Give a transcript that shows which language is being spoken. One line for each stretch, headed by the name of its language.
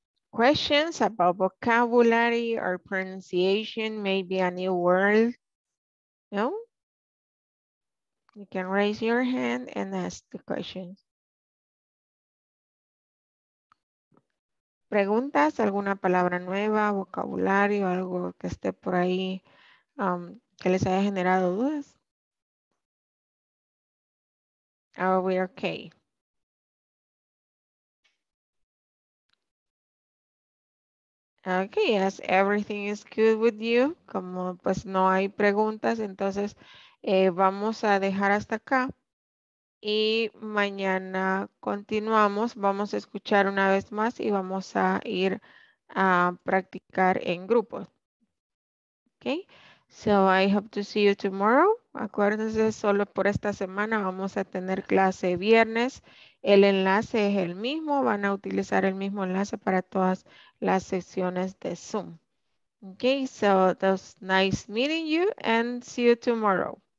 English: Questions about vocabulary or pronunciation, maybe a new word? No? You can raise your hand and ask the questions.
Spanish: Preguntas, alguna palabra nueva, vocabulario, algo que esté por ahí que les haya generado dudas.
English: Are we okay? Okay, yes, everything is good with you.
Spanish: Como pues no hay preguntas, entonces vamos a dejar hasta acá. Y mañana continuamos, vamos a escuchar una vez más y vamos a ir a practicar en grupo.
English: Okay, so I hope to see you tomorrow.
Spanish: Acuérdense, solo por esta semana vamos a tener clase viernes. El enlace es el mismo, van a utilizar el mismo enlace para todas las sesiones de Zoom.
English: Okay, so it was nice meeting you and see you tomorrow.